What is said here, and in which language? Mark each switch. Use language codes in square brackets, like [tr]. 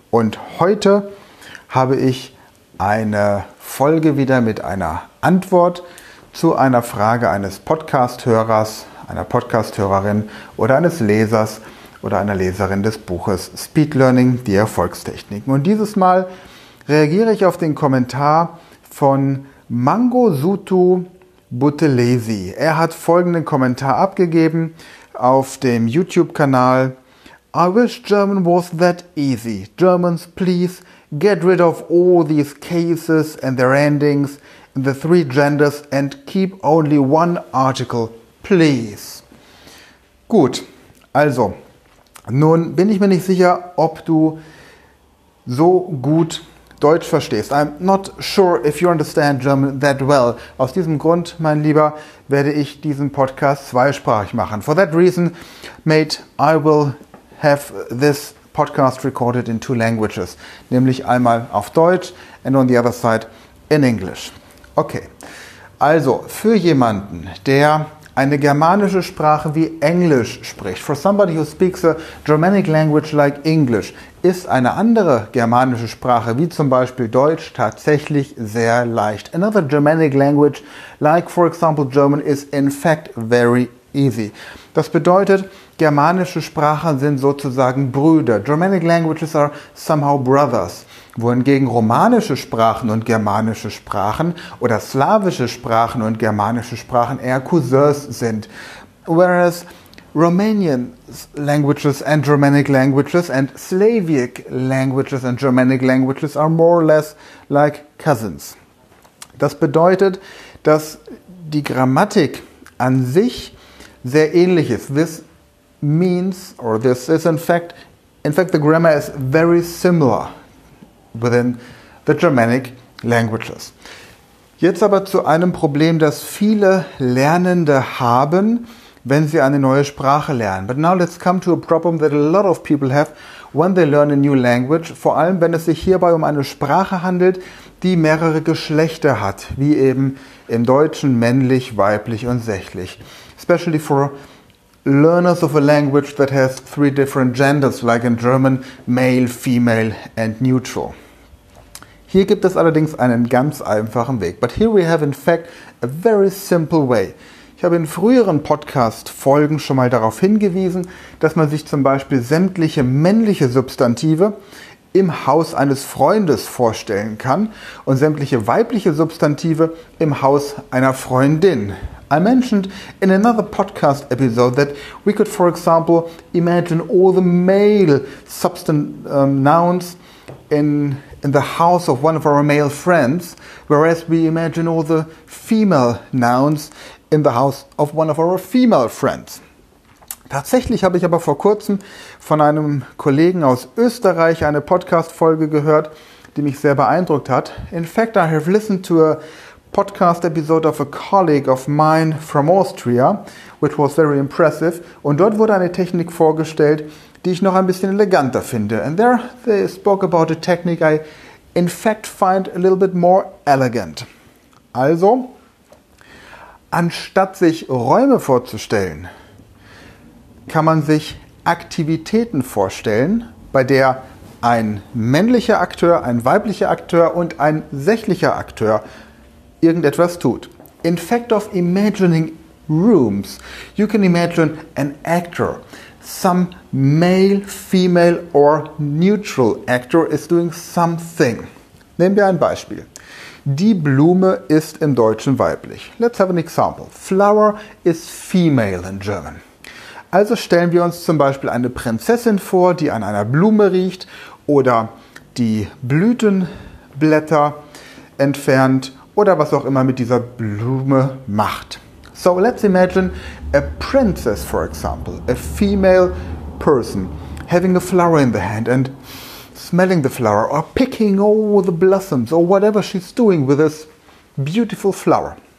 [de] Und heute habe ich eine Folge wieder mit einer Antwort zu einer Frage eines Podcast-Hörers, einer Podcast-Hörerin oder eines Lesers oder einer Leserin des Buches Speed Learning, die Erfolgstechniken. Und dieses Mal reagiere ich auf den Kommentar von Mangosuthu Buthelezi. Er hat folgenden Kommentar abgegeben auf dem YouTube-Kanal. [en] I wish German was that easy. Germans, please get rid of all these cases and their endings in the three genders and keep only one article, please. [de] Gut, also, nun bin ich mir nicht sicher, ob du so gut Deutsch verstehst. [en] I'm not sure if you understand German that well. [de] Aus diesem Grund, mein Lieber, werde ich diesen Podcast zweisprachig machen. [en] For that reason, mate, I will have this podcast recorded in two languages. [de] Nämlich einmal auf Deutsch [en] and on the other side in English. [de] Okay, also für jemanden, der eine germanische Sprache wie Englisch spricht. [en] For somebody who speaks a Germanic language like English, [de] ist eine andere germanische Sprache, wie zum Beispiel Deutsch, tatsächlich sehr leicht. [en] Another Germanic language, like for example German, is in fact very easy. [de] Das bedeutet, germanische Sprachen sind sozusagen Brüder. [en] Germanic languages are somehow brothers. [de] Wohingegen romanische Sprachen und germanische Sprachen oder slawische Sprachen und germanische Sprachen eher Cousins sind. [en] Whereas Romanian languages and Germanic languages and Slavic languages and Germanic languages are more or less like cousins. [de] Das bedeutet, dass die Grammatik an sich sehr ähnlich ist. [en] This means, or this is in fact the grammar is very similar within the Germanic languages. [de] Jetzt aber zu einem Problem, das viele Lernende haben, wenn sie eine neue Sprache lernen. [en] But now let's come to a problem that a lot of people have when they learn a new language, [de] vor allem wenn es sich hierbei um eine Sprache handelt, die mehrere Geschlechter hat, wie eben im Deutschen männlich, weiblich und sächlich. [en] Especially for learners of a language that has three different genders, like in German, male, female and neutral. [de] Hier gibt es allerdings einen ganz einfachen Weg. [en] But here we have in fact a very simple way. [de] Ich habe in früheren Podcast-Folgen schon mal darauf hingewiesen, dass man sich zum Beispiel sämtliche männliche Substantive im Haus eines Freundes vorstellen kann und sämtliche weibliche Substantive im Haus einer Freundin. [en] I mentioned in another podcast episode that we could, for example, imagine all the male nouns in the house of one of our male friends, whereas we imagine all the female nouns in the house of one of our female friends. [de] Tatsächlich habe ich aber vor kurzem von einem Kollegen aus Österreich eine Podcast-Folge gehört, die mich sehr beeindruckt hat. [en] In fact, I have listened to a podcast episode of a colleague of mine from Austria, which was very impressive. [de] Und dort wurde eine Technik vorgestellt, die ich noch ein bisschen eleganter finde. [en] And there they spoke about a technique I in fact find a little bit more elegant. [de] Also, anstatt sich Räume vorzustellen, kann man sich Aktivitäten vorstellen, bei der ein männlicher Akteur, ein weiblicher Akteur und ein sächlicher Akteur irgendetwas tut. [en] In fact of imagining rooms, you can imagine an actor. Some male, female or neutral actor is doing something. [de] Nehmen wir ein Beispiel. Die Blume ist im Deutschen weiblich. [en] Let's have an example. Flower is female in German. [de] Also stellen wir uns zum Beispiel eine Prinzessin vor, die an einer Blume riecht oder die Blütenblätter entfernt oder was auch immer mit dieser Blume macht. [en] So let's imagine a princess, for example, a female person having a flower in the hand and smelling the flower or picking all the blossoms or whatever she's doing with this beautiful flower.